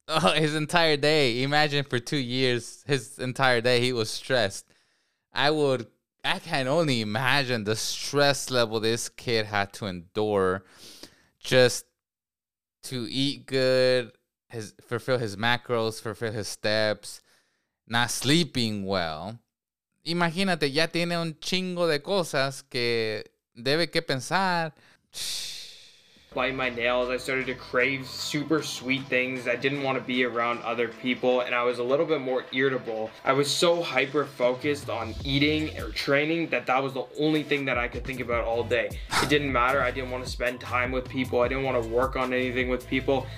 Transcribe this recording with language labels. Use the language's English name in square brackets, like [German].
[English] Oh, his entire day. Imagine for 2 years, his entire day, he was stressed. I can only imagine the stress level this kid had to endure just to eat good, fulfill his macros, fulfill his steps, not sleeping well. [Spanish] Imagínate, ya tiene un chingo de cosas que debe que pensar. [English] Biting my nails, I started to crave super sweet things. I didn't want to be around other people, and I was a little bit more irritable. I was so hyper focused on eating or training that was the only thing that I could think about all day. It didn't matter. I didn't want to spend time with people. I didn't want to work on anything with people.